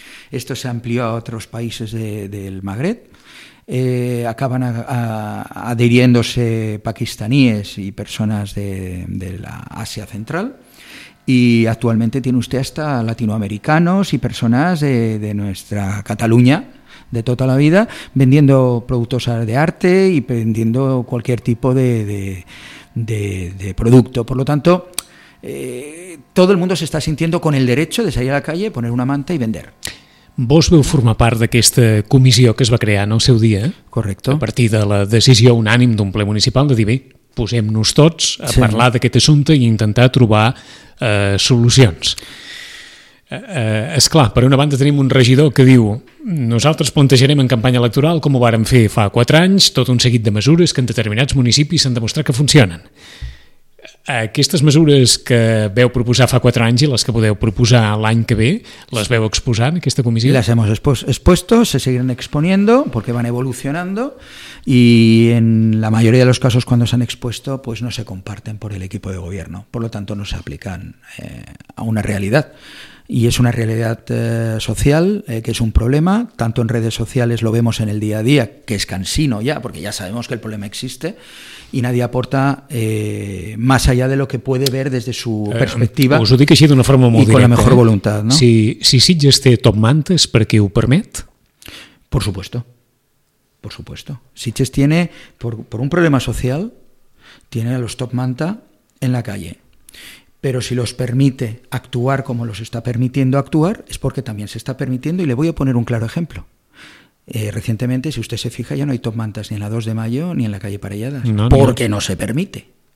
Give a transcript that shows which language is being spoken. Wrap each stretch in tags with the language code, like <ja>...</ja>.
<es>Esto se amplió a otros países del Magreb. Acaban adhiriéndose pakistaníes y personas de la Asia Central, y actualmente tiene usted hasta latinoamericanos y personas de nuestra Cataluña de toda la vida vendiendo productos de arte y vendiendo cualquier tipo de producto. Por lo tanto, todo el mundo se está sintiendo con el derecho de salir a la calle, poner una manta y vender.</es> <ca>Vos veu formar part d'aquesta comissió que es va crear en el seu dia. Correcte. A partir de la decisió unànim d'un ple municipal de dir, bé, posem-nos tots a sí. Parlar d'aquest assumpte i intentar trobar solucions. És clar, per una banda tenim un regidor que diu, nosaltres plantejarem en campanya electoral, com ho vàrem fer fa 4 anys, tot un seguit de mesures que en determinats municipis s'han demostrat que funcionen. Aquestes mesures que veu proposar fa 4 anys i les que podeu proposar l'any que ve, les veu exposar en aquesta comissió?</ca> <es>Las hemos expuesto, se seguirán exponiendo porque van evolucionando y en la mayoría de los casos cuando se han expuesto pues no se comparten por el equipo de gobierno, por lo tanto no se aplican a una realidad. Y es una realidad social que es un problema, tanto en redes sociales lo vemos en el día a día, que es cansino ya, porque ya sabemos que el problema existe, y nadie aporta más allá de lo que puede ver desde su perspectiva.</es> <ca>Us ho dic així d'una forma molt directa.</ca> <es>Con la mejor voluntad, ¿no?</es> <ca>Si Sitges té top mantes perquè ho permet?</ca> <es>Por supuesto. Sitges tiene, por un problema social, tiene a los top manta en la calle. Pero si los permite actuar como los está permitiendo actuar, es porque también se está permitiendo, y le voy a poner un claro ejemplo. Recientemente, si usted se fija, ya no hay top mantas ni en la 2 de mayo ni en la calle Parelladas, porque no se permite.</es>